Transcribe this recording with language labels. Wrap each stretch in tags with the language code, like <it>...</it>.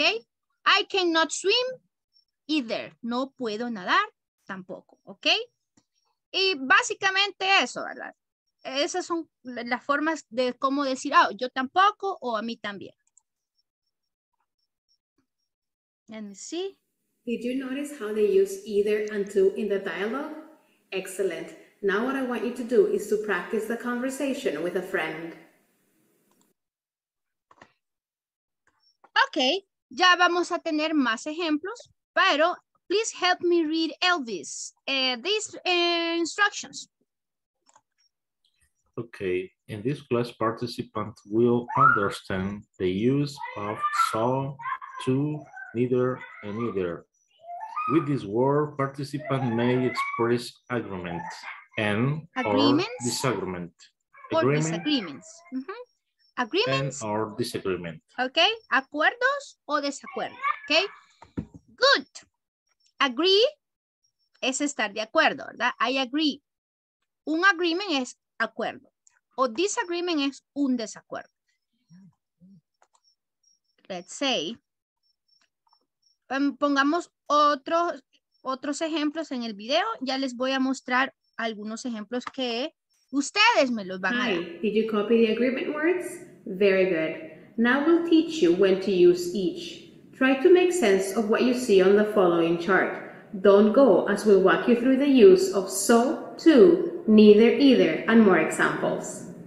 <en>I cannot swim either.</en> <es>No puedo nadar. Tampoco,</es> <en>¿ok?</en> <es>Y básicamente eso, ¿verdad? Esas son las formas de cómo decir, ah, oh, yo tampoco o a mí también.</es> <en>Let me see. Did you notice how they use either and to in the dialogue? Excellent. Now what I want you to do is to practice the conversation with a friend.</en> <es>Ok, ya vamos a tener más ejemplos, pero...</es> <en>Please help me read Elvis, these instructions. Okay, in this class, participants will understand the use of saw, to, neither, and either. With this word, participant may express agreement and agreements? Or disagreement. Or agreement disagreements. Mm-hmm. Agreements. And or disagreement.</en> <es>Okay, acuerdos o desacuerdos. Okay, good. Agree es estar de acuerdo, ¿verdad?</es> <en>I agree.</en> <es>Un agreement es acuerdo. O disagreement es un desacuerdo.</es> <en>Let's say.</en> <es>Pongamos otros ejemplos en el video. Ya les voy a mostrar algunos ejemplos que ustedes me los van a dar.</es> <en>Hi, did you copy the agreement words? Very good. Now we'll teach you when to use each. Try to make sense of what you see on the following chart. Don't go as we'll walk you through the use of so, to, neither, either, and more examples.</en>